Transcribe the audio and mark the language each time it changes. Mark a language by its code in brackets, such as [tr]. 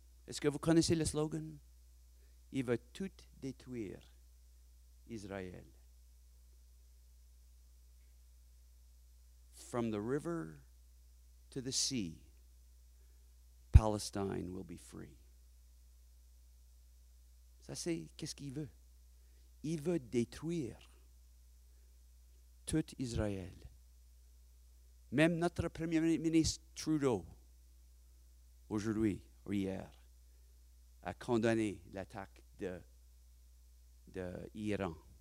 [fr] Est-ce que vous connaissez le slogan? Ils veulent tout détruire, Israël. [en] From the river to the sea, Palestine will be free. [fr] Ça, c'est qu'est-ce qu'il veut? Il veut détruire tout Israël. Même notre premier ministre Trudeau, aujourd'hui ou hier, a condamné l'attaque de l'Iran.